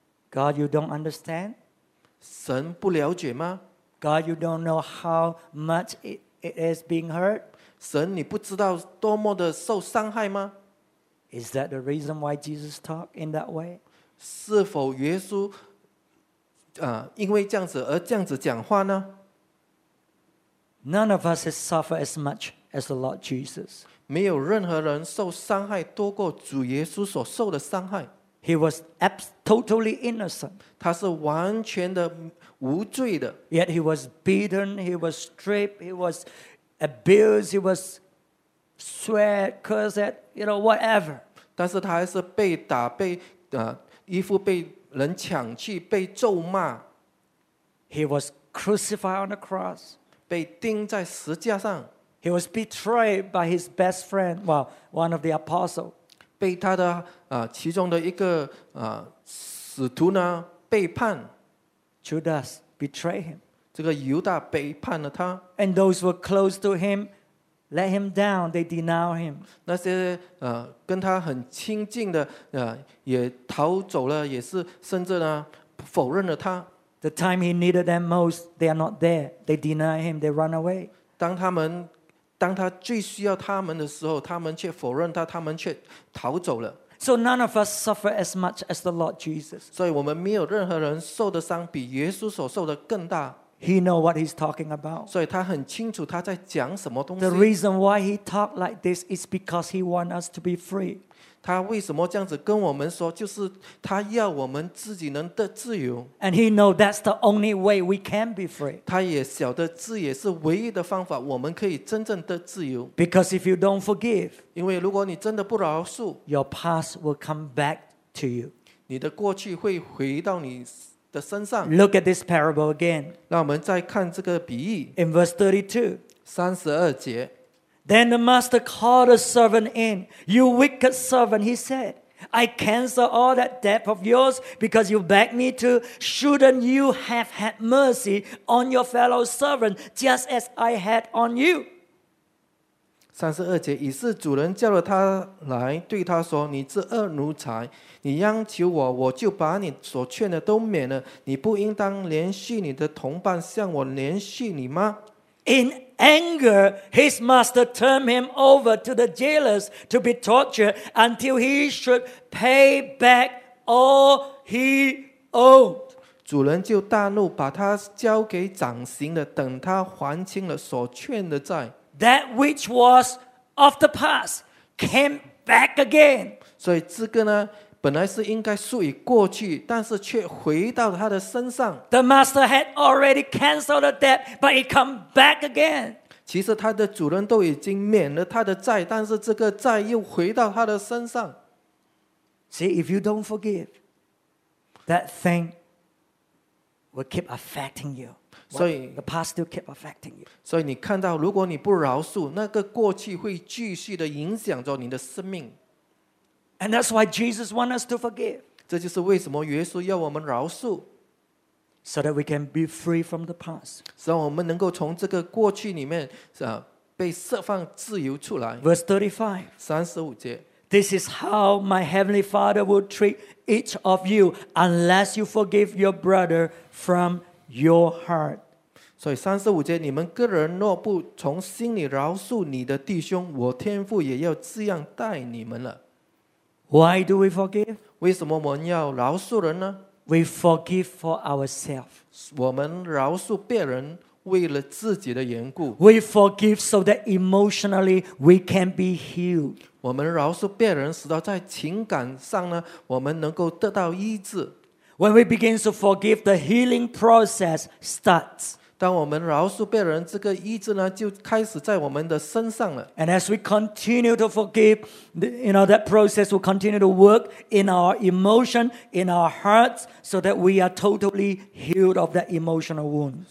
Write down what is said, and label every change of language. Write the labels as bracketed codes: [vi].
[en] God, you don't understand? [zh] 神不了解吗？ [en] God, you don't know how much it is being hurt? [zh] 神你不知道多么的受伤害吗？ [en] Is that the reason why Jesus talked in that way? [zh] 是否耶稣因为这样子而这样子讲话呢？ [en] None of us has suffered as much as the Lord Jesus. [zh] 没有任何人受伤害多过主耶稣所受的伤害。 [en] He was totally innocent. [zh] 他是完全的无罪的。 [en] Yet he was beaten, he was stripped, he was abused, he was swear, curse at, you know, whatever. [zh] 但是他还是被打，被衣服被人抢去，被咒骂。 [en] He was crucified on the cross. [zh] 被钉在十架上。 [en] He was betrayed by his best friend, well, one of the apostles. [zh] 被他的其中的一个使徒呢背叛。 [en] Judas betrayed him. [zh] 这个犹大背叛了他。 [en] And those who were close to him. Let him down, they deny him. [zh] 那些跟他很亲近的也逃走了，也是甚至呢否认了他。 [en] The time he needed them most, they are not there. They deny him, they run away. [zh] 当他最需要他们的时候，他们却否认他，他们却逃走了。 [en] So none of us suffer as much as the Lord Jesus. [zh] 所以我们没有任何人受的伤比耶稣所受的更大。 [en] He know what he's talking about. [zh] 所以他很清楚他在讲什么东西。 [en] The reason why he talk like this is because he want us to be free. [zh] 他为什么这样子跟我们说，就是他要我们自己能得自由。 [en] And he know that's the only way we can be free. [zh] 他也晓得这也是唯一的方法，我们可以真正得自由。 [en] Because if you don't forgive, [zh] 因为如果你真的不饶恕， [en] your past will come back to you. [zh] 你的过去会回到你。 [en] Look at this parable again. [zh] 让我们再看这个比喻。 [en] In verse 32, [zh] 32节。 [en] Then the master called a servant in. You wicked servant, he said. I cancel all that debt of yours because you begged me to. Shouldn't you have had mercy on your fellow servant just as I had on you? [zh] 32节，以是主人叫了他来，对他说：“你这恶奴才，你央求我，我就把你所欠的都免了。你不应当连续你的同伴向我连续你吗？” [en] In anger, his master turned him over to the jailers to be tortured until he should pay back all he owed. [zh] 主人就大怒，把他交给掌刑的，等他还清了所欠的债。 [en] That which was of the past came back again. [zh] 所以这个呢，本来是应该属于过去，但是却回到他的身上。 [en] The master had already canceled the debt, but it come back again. [zh] 其实他的主人都已经免了他的债，但是这个债又回到他的身上。 [en] See, if you don't forgive, that thing will keep affecting you. [zh] 所以 [en] the past still keep affecting you. [zh] 所以你看到，如果你不饶恕，那个过去会继续的影响着你的生命。 [en] And that's why Jesus wants us to forgive. [zh] 这就是为什么耶稣要我们饶恕。 [en] So that we can be free from the past. [zh] 使我们能够从这个过去里面被释放自由出来。 [en] Verse 35. [zh] 35节。 [en] This is how my heavenly Father would treat each of you unless you forgive your brother from. Your heart. [zh] 所以三十五节，你们个人若不从心里饶恕你的弟兄，我天父也要这样待你们了。 [en] Why do we forgive? [zh] 为什么我们要饶恕人呢？ [en] We forgive for ourselves. [zh] 我们饶恕别人为了自己的缘故。 [en] We forgive so that emotionally we can be healed. [zh] 我们饶恕别人，使到在情感上呢，我们能够得到医治。 [en] When we begin to forgive, the healing process starts. [zh] 当我们饶恕别人，这个医治呢，就开始在我们的身上了。 [en] And as we continue to forgive, you know, that process will continue to work in our emotion, in our hearts, so that we are totally healed of that emotional wound.